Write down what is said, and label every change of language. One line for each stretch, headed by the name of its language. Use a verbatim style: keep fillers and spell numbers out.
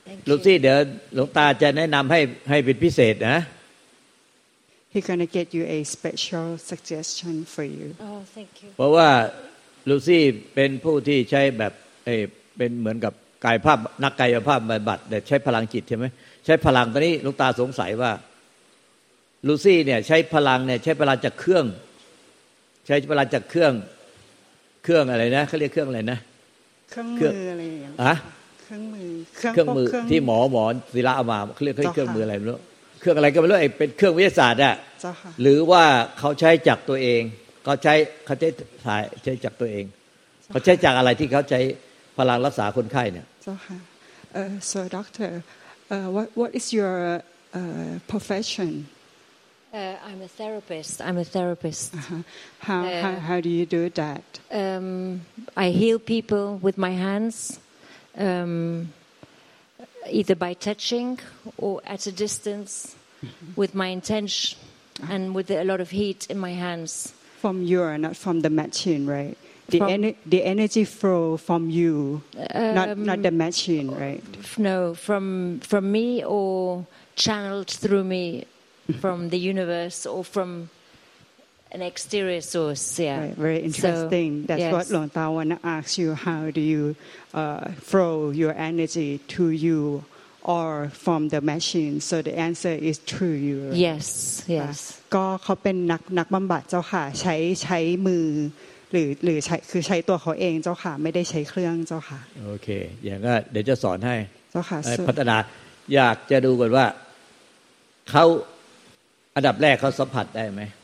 Thai: ลูซี่เดี๋ยวหลวงตาจะแนะนำให้ให้เป็นพิเศษนะ
English: He's going to get you a special suggestion for you. Oh, thank you.
Thai: เพราะว่าลูซี่เป็นผู้ที่ใช้แบบเอเป็นเหมือนกับกายภาพนักกายภาพบำบัดแต่ใช้พลังจิตใช่ไหมใช้พลังตอนนี้หลวงตาสงสัยว่าลูซี่เนี่ยใช้พลังเนี่ยใช้พลังจากเครื่องใช้พลังจากเครื่องเครื่องอะไรนะเขาเรียกเครื่องอะไรนะ เครื่องมืออะไรอย่างเงี้ ย อะ เครื่องมือ เครื่องมือที่หมอหมอศิลาเอามาเขาเรียกเครื่องมืออะไรไม่รู้เครื่องอะไรก็ไม่รู้ไอ้เป็นเครื่องวิทยาศาสตร์อะหรือว่าเขาใช้จากตัวเองเขาใช้เขาใช้ถ่ายใช้จากตัวเองเขาใช้จากอะไรที่เขาใช้พลังรักษาคนไข้เนี่ย
English: เจ้าค่ะเอ่อ so doctor uh, what what is your uh, profession Uh, I'm a therapist. I'm a therapist. Uh-huh. How, uh, how how do you do that? Um, I heal people with my hands, um, either by touching or at a distance, mm-hmm. with my intention and with a lot of heat in my hands. From you, not from the machine, right? The ener- the energy flow from you, um, not not the machine, right? No, from from me or channeled through me. From the universe or from an exterior source, yeah. Right, very interesting. So, That's yes. what Lord Tawana asks you. How do you uh, flow your energy to you or from the machine? So the answer is through you. Right? Yes, yes.
Thai: ก็เขาเป็นนักนักบำบัดเจ้าค่ะใช้ใช้มือหรือหรือใช้คือใช้ตัวเขาเองเจ้าค่ะไม่ได้ใช้เครื่องเจ้าค่ะ โอเคอย่างก็เดี๋ยวจะสอนให้ เจ้าค่ะ พัฒนาอยากจะดูก่อนว่าเขาอันดับแรกเขาสัมผัสได้ไหม